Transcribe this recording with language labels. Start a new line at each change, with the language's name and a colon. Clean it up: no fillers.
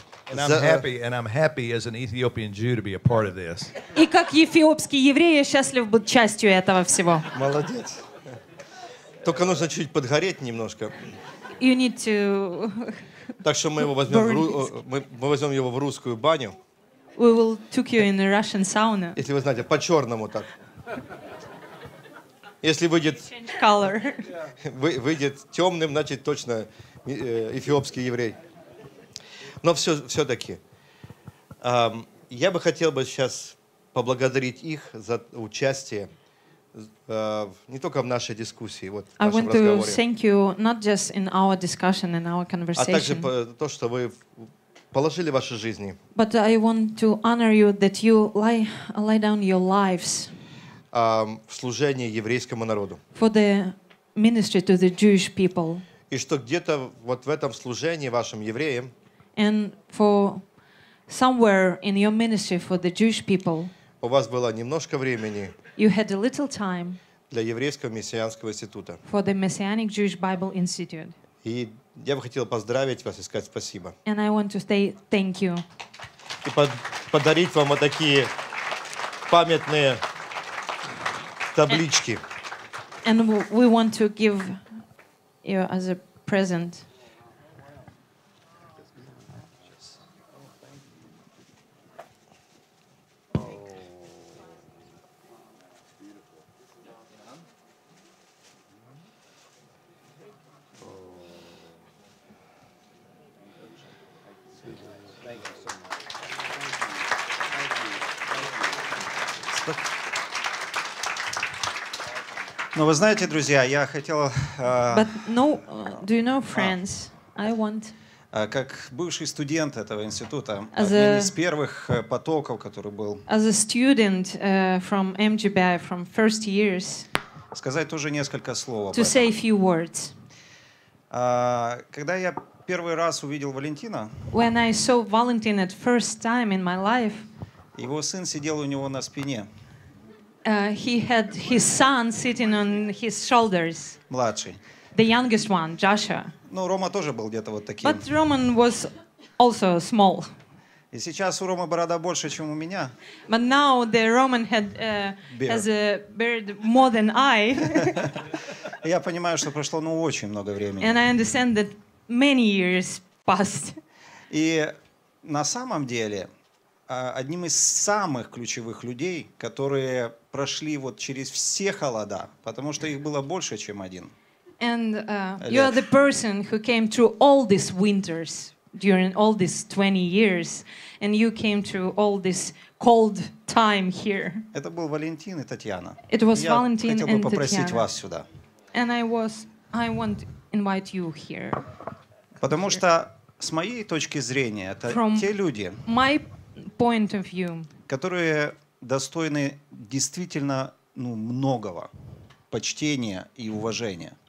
English: I'm happy as an Ethiopian Jew to be a part of this.
Russian: И как эфиопский еврей, я счастлив быть частью этого всего. Молодец. Только нужно чуть подгореть немножко.
English: You need to.
Russian: Так что мы возьмем его в русскую баню.
English: We will took you in a Russian sauna.
Russian: Если вы знаете, по-черному так. Если выйдет,
English: color.
Russian: выйдет темным, значит, точно эфиопский еврей. Но все-таки, я бы хотел бы сейчас поблагодарить их за участие не только в нашей дискуссии, вот в нашем разговоре.
English: I want to thank you not just in our discussion, in our conversation.
Russian: А также то, что вы положили ваши жизни.
English: But I want to honor you that you lay down your lives.
Russian: В служении еврейскому народу.
English: For the ministry to the Jewish people.
Russian: И что где-то вот в этом служении вашим евреям.
English: And for somewhere in your ministry for the Jewish people.
Russian: У вас было немножко времени.
English: You had a little time.
Russian: Для еврейского мессианского института.
English: For the Messianic Jewish Bible Institute.
Russian: И я бы хотел поздравить вас и сказать спасибо.
English: And I want to say thank you.
Russian: И подарить вам вот такие памятные таблички.
English: And we want to give you as a present.
Russian: Но вы знаете, друзья, я хотел... как бывший студент этого института, один из первых потоков, который был,
English: as a student, from MGBI, from first years,
Russian: сказать тоже несколько слов.
English: To say a few words.
Russian: Когда я первый раз увидел Валентина,
English: when I saw Valentin at first time in my life,
Russian: его сын сидел у него на спине.
English: He had his son sitting on his shoulders.
Russian: Младший.
English: The youngest one, Joshua.
Russian: Ну, Рома тоже был где-то вот таким.
English: But Roman was also small.
Russian: И сейчас у Ромы борода больше, чем у меня.
English: But now the Roman had has a beard more than I.
Russian: Я понимаю, что прошло очень много времени.
English: And I understand that many years passed.
Russian: И на самом деле одним из самых ключевых людей, которые прошли вот через все холода, потому что их было больше, чем один.
English: And you are the person who came through all these winters during all these 20 years, and you came through all this cold time here.
Russian: Это был Валентин и Татьяна.
English: It was Valentin and Татьяна.
Russian: Я хотел бы попросить вас сюда.
English: And I want to invite you here.
Russian: Потому что с моей точки зрения это те люди,
English: point of view.
Russian: Которые достойны действительно многого почтения и уважения.